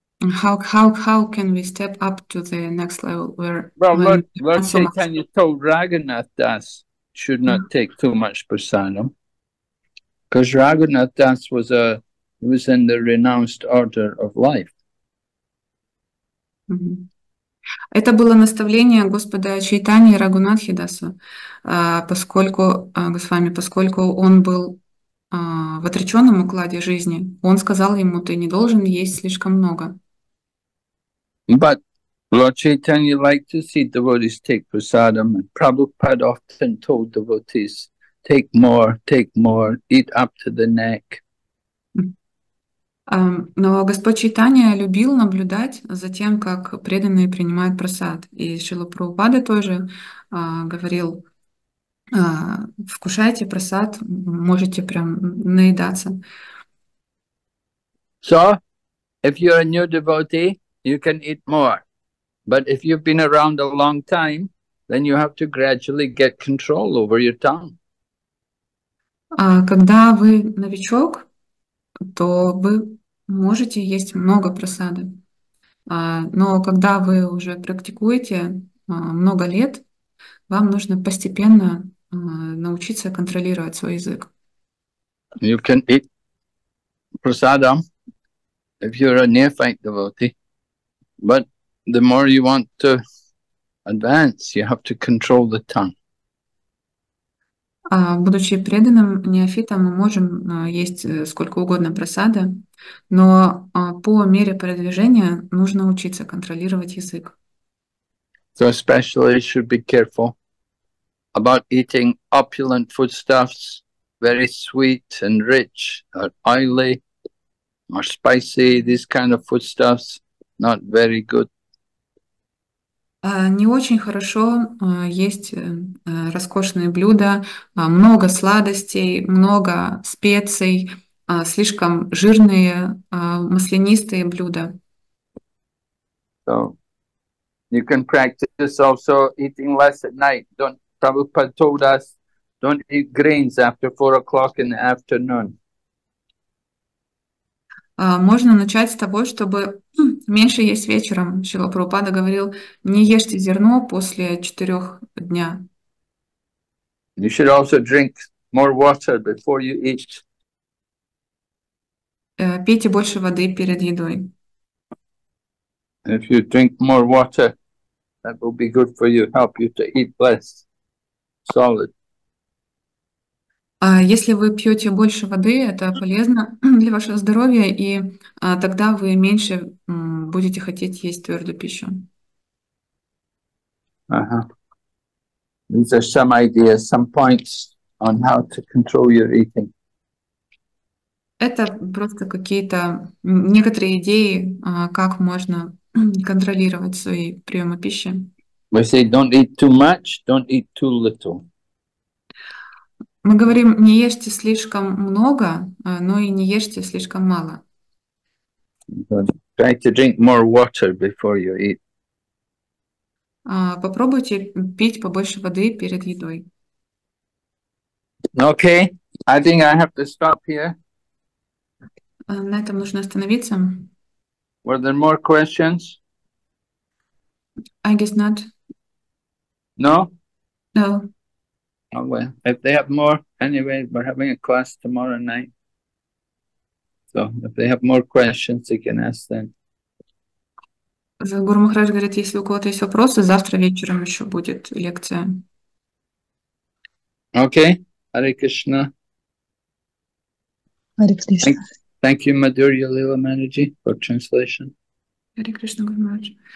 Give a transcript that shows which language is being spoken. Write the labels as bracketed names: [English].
[English] How can we step up to the next level where Lord Chaitanya told Raghunath Das should not take too much prasadam. Because Raghunath Das was a he was in the renounced order of life. [Russian] Это было наставление Господа Чайтани и Рагунатхи Даса, поскольку, Госвами, поскольку он был в отреченном укладе жизни, он сказал ему, ты не должен есть слишком много. [English] But Lord Chaitanya liked to see devotees take prasadam, and Prabhupada often told devotees, take more, eat up to the neck. [Russian] Но Господь Чайтанья любил наблюдать за тем, как преданные принимают прасад. И Шрила Прабхупада тоже говорил, вкушайте прасад, можете прям наедаться. [English] So, if you're a new devotee, you can eat more. But if you've been around a long time, then you have to gradually get control over your tongue. [Russian] Когда вы новичок, то вы можете есть много просады, но когда вы уже практикуете много лет, вам нужно постепенно научиться контролировать свой язык. [English] You can eat prasadam if you're a neophyte devotee, but the more you want to advance, you have to control the tongue. [Russian] Будучи преданным неофитом, мы можем есть сколько угодно просады, но по мере продвижения нужно учиться контролировать язык. [English] So especially you should be careful about eating opulent foodstuffs, very sweet and rich, or oily, or spicy, these kind of foodstuffs, not very good. [Russian] Не очень хорошо есть роскошные блюда, много сладостей, много специй, слишком жирные, маслянистые блюда. [English] So, you can practice also eating less at night. Don't, Prabhupada told us, don't eat grains after 4 o'clock in the afternoon. [Russian] Можно начать с того, чтобы меньше есть вечером. Шрила Прабхупада говорил, не ешьте зерно после 4 дня. [English] You should also drink more water before you eat. [Russian] Пейте больше воды перед едой. [English] If you drink more water, that will be good for you, help you to eat less solid. [Russian] Если вы пьете больше воды, это полезно для вашего здоровья, и тогда вы меньше будете хотеть есть твердую пищу. [English] These are some ideas, some points on how to control your eating. [Russian] Это просто какие-то некоторые идеи, как можно контролировать свои приемы пищи. [English] We say don't eat too much, don't eat too little. [Russian] Мы говорим, не ешьте слишком много, но и не ешьте слишком мало. [English] Try to drink more water before you eat. [Russian] Попробуйте пить побольше воды перед едой. [English] Okay, I think I have to stop here. [Russian] На этом нужно остановиться. [English] Were there more questions? I guess not. No? No. Oh, well, if they have more, anyway, we're having a class tomorrow night. So if they have more questions, you can ask them. [Russian] Гуру Махарадж говорит, если у кого-то есть вопросы, завтра вечером еще будет лекция. [English] Okay, Hare Krishna. Hare Krishna. Thank you, Madhurya Lila Manaji, for translation. Hare Krishna, Guru Maharaj.